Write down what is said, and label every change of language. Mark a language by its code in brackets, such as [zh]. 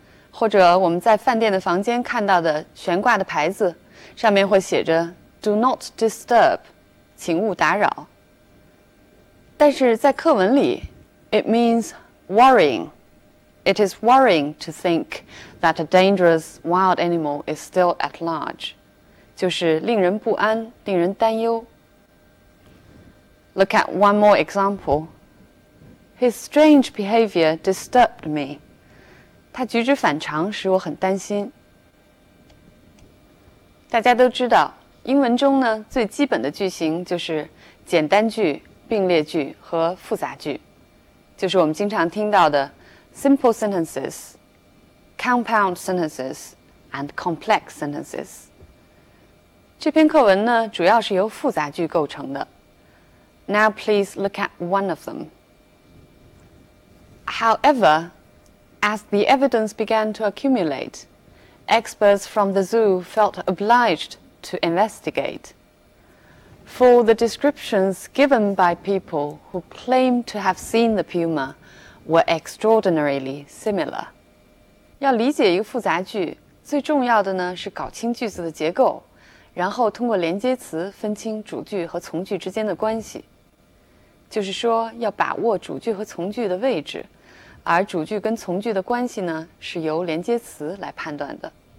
[zh] 或者我们在饭店的房间看到的悬挂的牌子上面会写着 [en] do not disturb, [zh] 请勿打扰。但是在课文里 [en] it means worrying. It is worrying to think that a dangerous wild animal is still at large. [zh] 就是令人不安，令人担忧。 [en] Look at one more example. His strange behavior disturbed me. [zh] 他举止反常使我很担心。大家都知道，英文中呢，最基本的句型就是简单句、并列句和复杂句。就是我们经常听到的 [en] Simple sentences, compound sentences, and complex sentences. [zh] 这篇课文呢，主要是由复杂句构成的。 [en] Now please look at one of them. However, as the evidence began to accumulate, experts from the zoo felt obliged to investigate. For the descriptions given by people who claimed to have seen the puma,were extraordinarily similar. [zh] 要理解一个复杂句，最重要的呢是搞清句子的结构，然后通过连接词分清主句和从句之间的关系。就是说，要把握主句和从句的位置，而主句跟从句的关系呢，是由连接词来判断的。